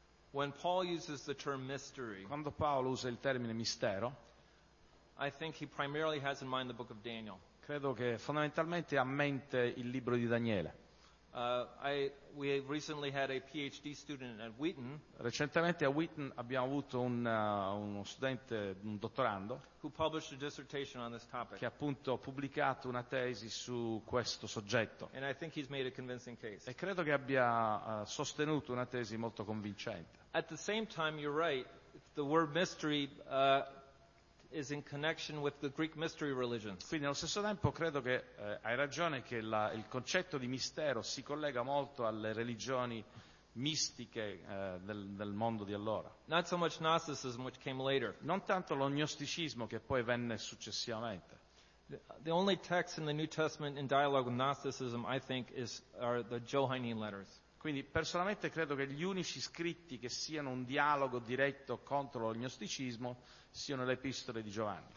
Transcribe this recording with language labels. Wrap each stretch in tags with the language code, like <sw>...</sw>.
<en>When Paul uses the term mystery,</en> <it>quando Paolo usa il termine mistero,</it> <en>I think he primarily has in mind the book of Daniel.</en> <it>Credo che fondamentalmente ha in mente il libro di Daniele.</it> <en>We have recently had a PhD student at Wheaton.</en> <it>Recentemente a Wheaton abbiamo avuto uno studente, un dottorando,</it> <en>who published a dissertation on this topic.</en> <it>Che appunto ha pubblicato una tesi su questo soggetto.</it> <en>And I think he's made a convincing case.</en> <it>E credo che abbia sostenuto una tesi molto convincente.</it> <en>At the same time, you're right. The word mystery is in connection with the Greek mystery religions.</en> <it>Quindi allo stesso tempo credo che hai ragione che il concetto di mistero si collega molto alle religioni mistiche del mondo di allora.</it> <en>Not so much Gnosticism, which came later.</en> <it>Non tanto lo gnosticismo che poi venne successivamente.</it> <en>The only text in the New Testament in dialogue with Gnosticism, I think, are the Johannine letters.</en> <it>Quindi personalmente credo che gli unici scritti che siano un dialogo diretto contro lo gnosticismo siano le epistole di Giovanni.</it>